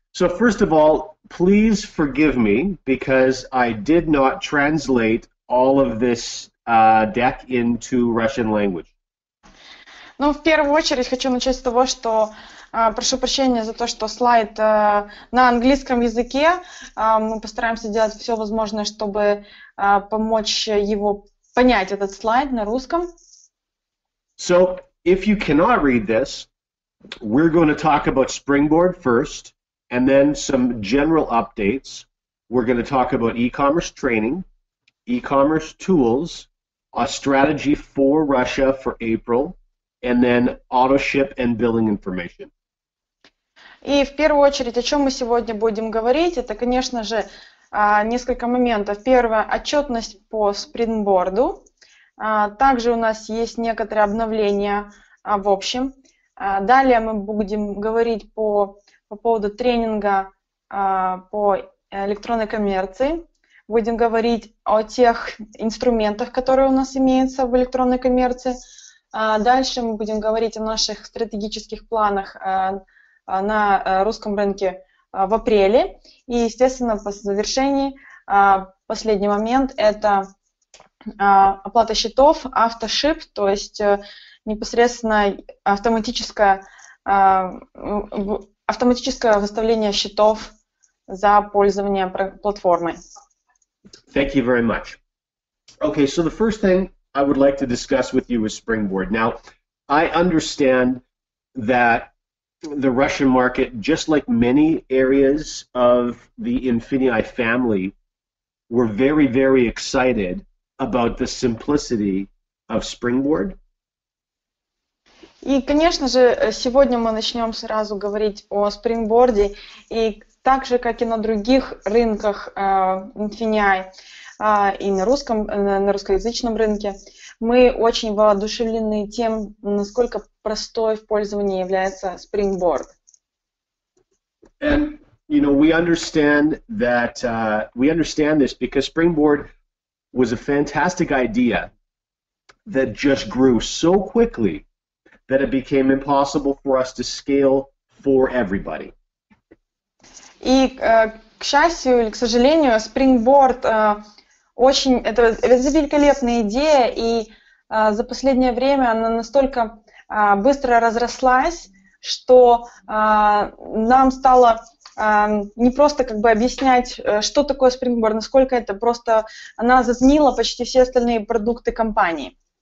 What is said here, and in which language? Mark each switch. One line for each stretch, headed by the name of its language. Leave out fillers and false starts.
English: So first of all, please forgive me because I did not translate all of this deck into Russian language.
Russian: Ну, в первую очередь хочу начать с того, что прошу прощения за то, что слайд на английском языке. Мы постараемся делать все возможное, чтобы помочь его понять этот слайд на русском.
English: So if you cannot read this, we're going to talk about Springboard first, and then some general updates. We're going to talk about e-commerce training, e-commerce tools, a strategy for Russia for April, and then autoship and billing information.
Russian: И в первую очередь, о чем мы сегодня будем говорить, это, конечно же, несколько моментов. Первое, отчетность по Springboard'у. Также у нас есть некоторые обновления в общем. Далее мы будем говорить по поводу тренинга по электронной коммерции. Будем говорить о тех инструментах, которые у нас имеются в электронной коммерции. Дальше мы будем говорить о наших стратегических планах на русском рынке в апреле. И, естественно, по завершении последний момент – это оплата счетов, автошип, то есть непосредственно автоматическое выставление счетов за пользование платформой.
English: Thank you very much. Okay, so the first thing I would like to discuss with you is Springboard. Now, I understand that the Russian market, just like many areas of the Infineye family, were very, very excited about the simplicity of Springboard.
Russian: И, конечно же, сегодня мы начнем сразу говорить о Springboard'е. И так же, как и на других рынках Infineye, и на русском, на русскоязычном рынке, мы очень воодушевлены тем, насколько простой в пользовании является Springboard.
English: And, you know, we understand that, we understand this because Springboard was a fantastic idea that just grew so quickly that it became impossible for us to scale for everybody.
Russian: И, к счастью или к сожалению, Springboard очень, это великолепная идея, и за последнее время она настолько быстро разрослась, что нам стало не просто как бы объяснять, что такое Springboard, насколько это просто она затмила почти все остальные продукты компании.